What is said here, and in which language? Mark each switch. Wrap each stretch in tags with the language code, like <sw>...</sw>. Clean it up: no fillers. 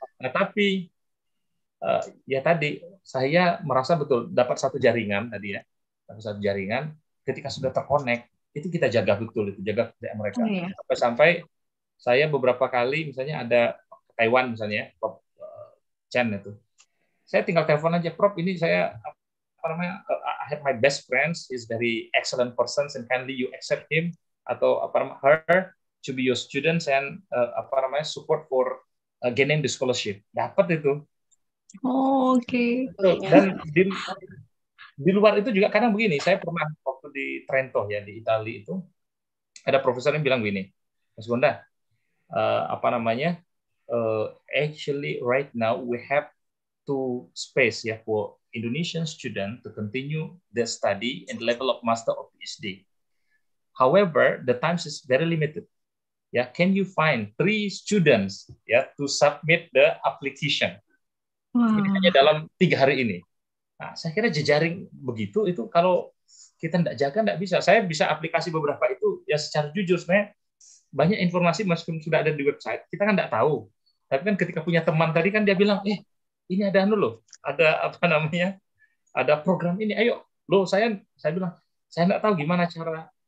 <id>Nah, tapi ya tadi saya merasa betul dapat satu jaringan tadi ya. Dapat satu jaringan ketika sudah terkonek, itu kita jaga betul itu, jaga kepercayaan mereka. Sampai saya beberapa kali misalnya ada Taiwan misalnya, Prof Chen itu. Saya tinggal telepon aja, Prof, ini saya apa namanya,</id> <en>I have my best friends, he's very excellent person, and kindly you accept him</en> <id>atau apa namanya,</id> <en>her to be your students and apa namanya, support for gaining the scholarship.</en> <id>Dapat itu. Oh, oke. Okay. Dan di luar itu juga kadang begini, saya pernah waktu di Trento ya, di Italia itu, ada profesor yang bilang begini, Mas Gonda, apa namanya,</id> <en>actually right now we have to space ya for Indonesian student to continue their study and level of master or PhD. However, the times is very limited. Yeah, can you find 3 students ya to submit the application?</en> <id>Wow. Ini hanya dalam 3 hari ini. Nah, saya kira jejaring begitu itu kalau kita tidak jaga tidak bisa. Saya bisa aplikasi beberapa itu ya secara jujur sebenarnya banyak informasi meskipun sudah ada di website kita kan tidak tahu. Tapi kan ketika punya teman tadi kan dia bilang, eh ini ada anu loh, ada apa namanya, ada program ini, ayo loh, saya bilang saya nggak tahu gimana cara</id>